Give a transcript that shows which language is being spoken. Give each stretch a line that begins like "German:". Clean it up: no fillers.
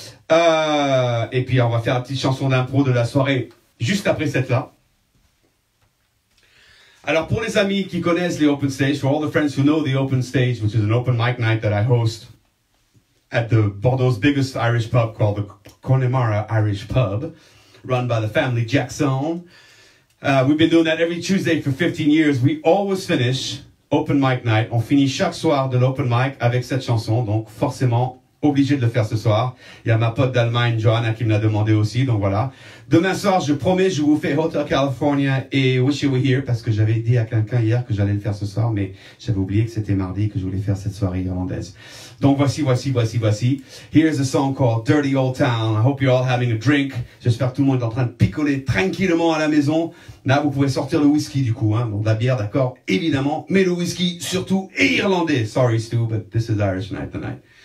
French: Et puis, on va faire la petite chanson d'impro de la soirée, juste après celle-là. Alors, pour les amis qui connaissent les open stage,
English: for all the friends who know the open stage, which is an open mic night that I host at the Bordeaux's biggest Irish pub called the Connemara Irish Pub, run by the family Jackson. We've been doing that every Tuesday for 15 years. We always finish open mic night.
French: On finit chaque soir de l'open mic avec cette chanson. Donc, forcément, obligé de le faire ce soir. Il y a ma pote d'Allemagne, Johanna, qui me l'a demandé aussi. Donc, voilà. Demain soir, je promets, je vous fais Hotel California et Wish You Were Here parce que j'avais dit à quelqu'un hier que j'allais le faire ce soir, mais j'avais oublié que c'était mardi et que je voulais faire cette soirée irlandaise. Donc, voici.
English: Here's a song called Dirty Old Town. I hope you're all having a drink.
French: J'espère que tout le monde est en train de picoler tranquillement à la maison. Là, vous pouvez sortir le whisky, du coup, hein. Bon, la bière, d'accord, évidemment, mais le whisky, surtout, est irlandais.
English: Sorry, Stu, but this is Irish night tonight.